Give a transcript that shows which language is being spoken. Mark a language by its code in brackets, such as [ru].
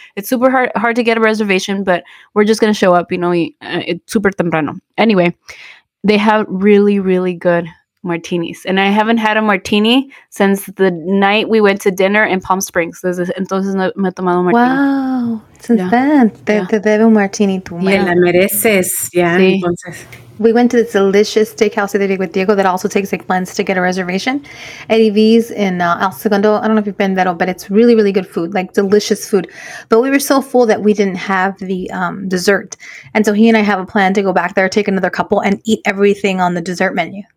[en] It's super hard to get a reservation, but we're just going to show up. You know, it's super [es] temprano. [en] Anyway, they have really, really good martinis, and I haven't had a martini since the night we went to dinner in Palm Springs. [es] Entonces me he tomado martini. [en] Wow, since then, [es] te debo un martini, tú. Y la mereces, ya. Sí. Entonces. [en] We went to this delicious steakhouse the other day with Diego that also takes like months to get a reservation. Eddie V's in El Segundo. I don't know if you've been there, but it's really, really good food, like delicious food. But we were so full that we didn't have the dessert. And so he and I have a plan to go back there, take another couple and eat everything on the dessert menu.